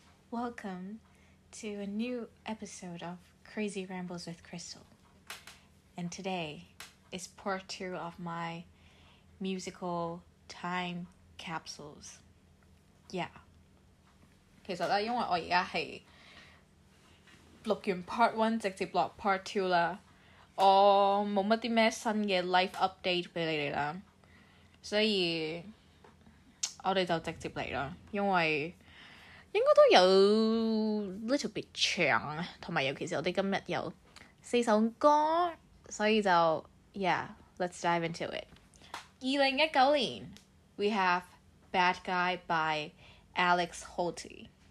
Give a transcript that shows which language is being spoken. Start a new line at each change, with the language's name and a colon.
English: welcome to a new episode of Crazy Rambles with Crystal. And today is part two of my musical time capsules. Yeah.
Cantonese: 其實因為我現在是錄完 part one 直接錄 part two 啦，我冇乜啲咩新嘅
English: life update
Cantonese: 俾你哋啦，所以我哋就直接嚟啦，因為 應該都有
English: little bit
Cantonese: 長，同埋尤其是我哋今日有四首歌，所以就
English: yeah, let's dive into it. 2019年, we have "Bad Guy" by Alex Holty.